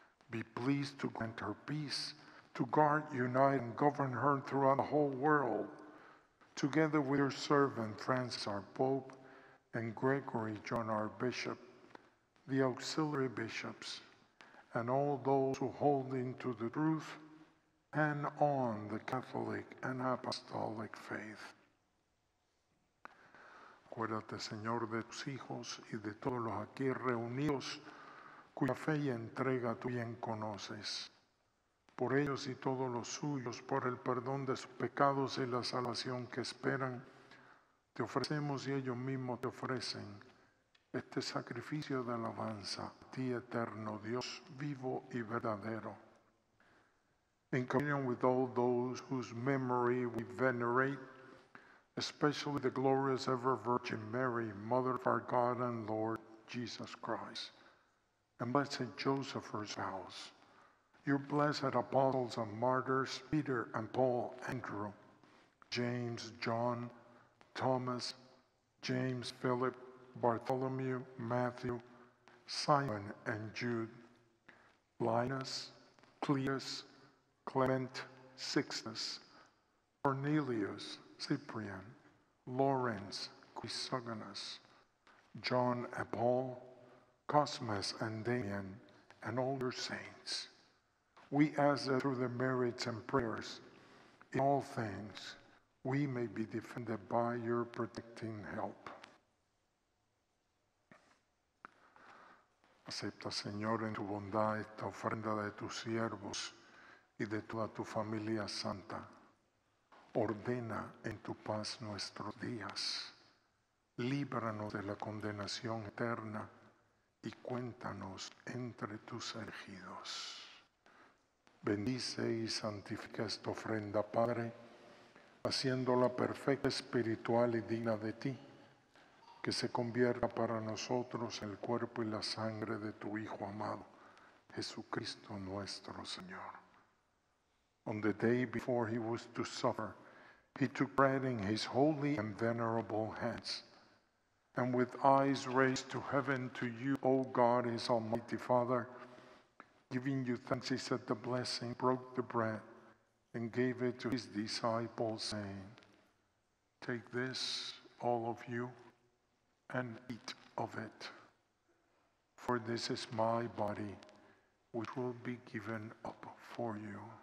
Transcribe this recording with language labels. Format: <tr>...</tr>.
<en>Be pleased to grant her peace, to guard, unite, and govern her throughout the whole world, together with your servant Francis, our Pope, and Gregory, John, our Bishop, the auxiliary bishops, and all those who hold into the truth and on the Catholic and Apostolic faith.</en> <es>Acuérdate, Señor, de tus hijos y de todos los aquí reunidos, cuya fe y entrega tú bien conoces. Por ellos y todos los suyos, por el perdón de sus pecados y la salvación que esperan, te ofrecemos y ellos mismos te ofrecen este sacrificio de alabanza a ti, eterno Dios, vivo y verdadero.</es> <en>In communion with all those whose memory we venerate, especially the glorious ever-Virgin Mary, Mother of our God and Lord Jesus Christ, and Blessed Joseph, her spouse, your blessed apostles and martyrs, Peter and Paul, Andrew, James, John, Thomas, James, Philip, Bartholomew, Matthew, Simon and Jude, Linus, Cleus, Clement, Sixtus, Cornelius, Cyprian, Lawrence, Chrysogonus, John and Paul, Cosmas and Damian, and all your saints. We ask that through their merits and prayers, in all things, we may be defended by your protecting help.</en> <es>Acepta, Señor, en tu bondad esta ofrenda de tus siervos y de toda tu familia santa. Ordena en tu paz nuestros días. Líbranos de la condenación eterna y cuéntanos entre tus elegidos. Bendice y santifica esta ofrenda, Padre, haciéndola perfecta, espiritual y digna de ti, que se convierta para nosotros el cuerpo y la sangre de tu Hijo amado, Jesucristo nuestro Señor.</es> <en>On the day before he was to suffer, he took bread in his holy and venerable hands, and with eyes raised to heaven to you, O God, his almighty Father, giving you thanks, he said the blessing, broke the bread, and gave it to his disciples, saying, take this, all of you, and eat of it, for this is my body, which will be given up for you.</en>